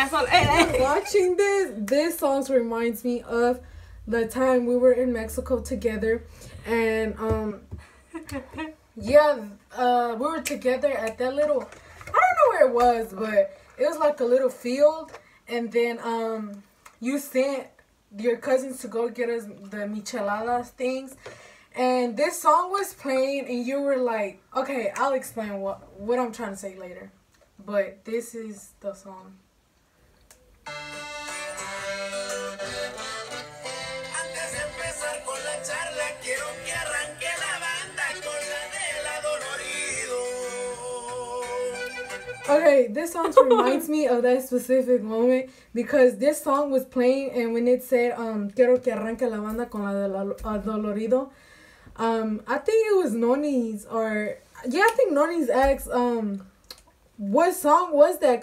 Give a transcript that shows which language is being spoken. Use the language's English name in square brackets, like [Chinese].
[English] Watching this song reminds me of the time we were in Mexico together, and we were together at that little, I don't know where it was, but it was like a little field, and then you sent your cousins to go get us the micheladas things, and this song was playing, and you were like, okay, I'll explain what I'm trying to say later. But this is the song. [Spanish] Antes de empezar con la charla, quiero que arranque la banda con la de la dolorido. [English] Okay, this song reminds me of that specific moment because this song was playing, and when it said, [Spanish] quiero que arranque la banda con la de la dolorido, [English] I think it was Noni's, or yeah, I think Noni's ex, what song was that?